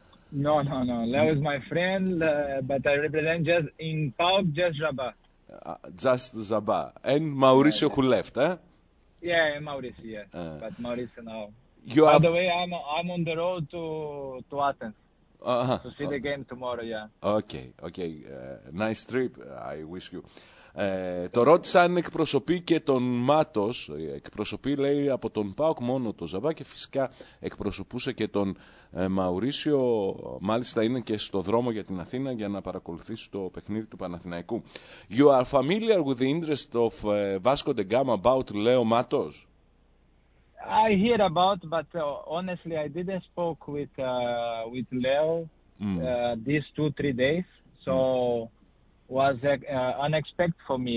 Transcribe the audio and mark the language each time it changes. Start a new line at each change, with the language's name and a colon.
English: No. Leo is my friend, but I represent just in PAOK, just Rabat. Just Zaba and Mauricio, yeah, who left, eh? Yeah, Mauricio, yes. But Mauricio now. You have... By the way, I'm on the road to Athens to see the game tomorrow. Yeah. Okay. Nice trip. I wish you.
Greek: Το ρώτησα αν εκπροσωπεί και τον Μάτος. Εκπροσωπεί, λέει, από τον ΠΑΟΚ μόνο τον Ζαβά και φυσικά εκπροσωπούσε και τον Μαουρίσιο. Μάλιστα είναι και στο δρόμο για την Αθήνα για να παρακολουθήσει το παιχνίδι του Παναθηναϊκού.
English: You are familiar with the interest of Vasco da Gama about Leo Matos? I hear about, but honestly I didn't spoke with Leo these 2-3 days. So was unexpected for me.